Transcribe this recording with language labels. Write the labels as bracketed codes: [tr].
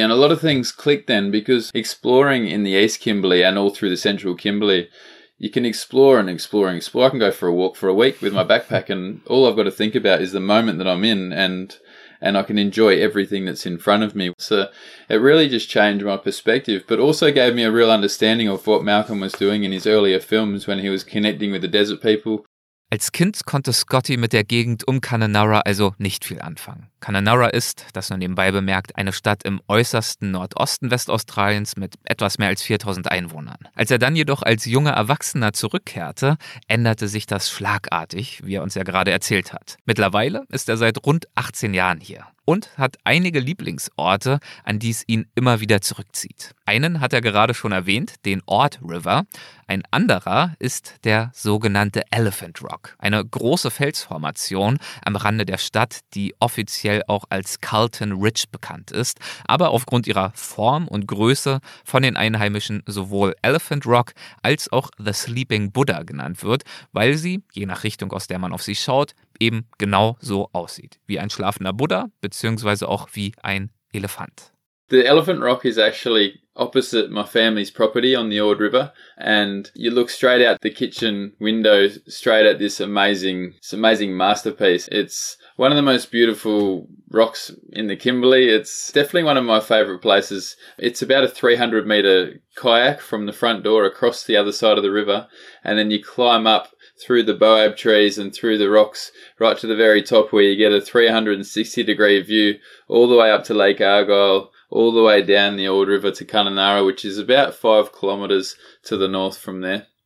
[en] And a lot of things click then, because exploring in the East Kimberley and all through the Central Kimberley, you can explore and explore and explore. I can go for a walk for a week with my backpack, and all I've got to think about is the moment that I'm in, and I can enjoy everything that's in front of me. So it really just changed my perspective, but also gave me a real understanding of what Malcolm was doing in his earlier films when he was connecting with the desert people. [de] Als Kind konnte Scotty mit der Gegend um Kununurra also nicht viel anfangen. Kununurra ist, das nur nebenbei bemerkt, eine Stadt im äußersten Nordosten Westaustraliens mit etwas mehr als 4000 Einwohnern. Als er dann jedoch als junger Erwachsener zurückkehrte, änderte sich das schlagartig, wie er uns ja gerade erzählt hat. Mittlerweile ist er seit rund 18 Jahren hier und hat einige Lieblingsorte, an die es ihn immer wieder zurückzieht. Einen hat er gerade schon erwähnt, den Ord River. Ein anderer ist der sogenannte Elephant Rock, eine große Felsformation am Rande der Stadt, die offiziell auch als Carlton Ridge bekannt ist, aber aufgrund ihrer Form und Größe von den Einheimischen sowohl Elephant Rock als auch The Sleeping Buddha genannt wird, weil sie, je nach Richtung, aus der man auf sie schaut, eben genau so aussieht, wie ein schlafender Buddha, beziehungsweise auch wie ein Elefant. [en] The Elephant Rock is actually opposite my family's property on the Ord River, and you look straight out the kitchen window, straight at this amazing masterpiece. It's one of the most beautiful rocks in the Kimberley. It's definitely one of my favorite places. It's about a 300 meter kayak from the front door across the other side of the river, and then you climb up through the baobab trees and through the rocks right to the very top, where you get a 360 degree view all the way up to Lake Argyle, all the way down the Ord River to Kununurra, which is about 5 kilometers to the north from there.